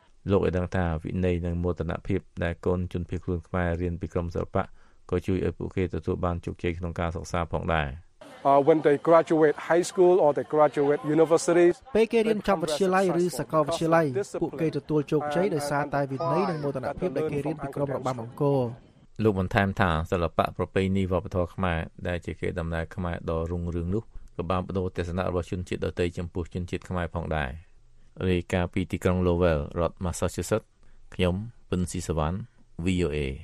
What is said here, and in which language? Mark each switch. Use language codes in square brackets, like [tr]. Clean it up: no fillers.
[km] លោកឯកឧត្តមថាវិន័យនិងមោទនភាពដែលកូនជនភៀសខ្លួនខ្មែររៀនពីក្រមសិល្បៈក៏ជួយឲ្យពួកគេទទួលបានជោគជ័យក្នុងការសិក្សាផងដែរ [en] When they graduate high school or they graduate universities [km] ពេលគេរៀនចប់វិទ្យាល័យឬសាកលវិទ្យាល័យពួកគេទទួលជោគជ័យដោយសារតែវិន័យនិងមោទនភាពដែលគេរៀនពីក្រមរបាំអង្គរ លោកបន្តថែមថាសិល្បៈប្រពៃណីវប្បធម៌ខ្មែរដែលជាគេដំណើរខ្មែរដ៏រុងរឿងនោះក៏បានបដូរទស្សនៈរបស់ជនជាតិដទៃចំពោះជនជាតិខ្មែរផងដែររាយការណ៍ពីទីក្រុង Lowell រដ្ឋ Massachusetts ខ្ញុំពិនស៊ីសវណ្ណ VOA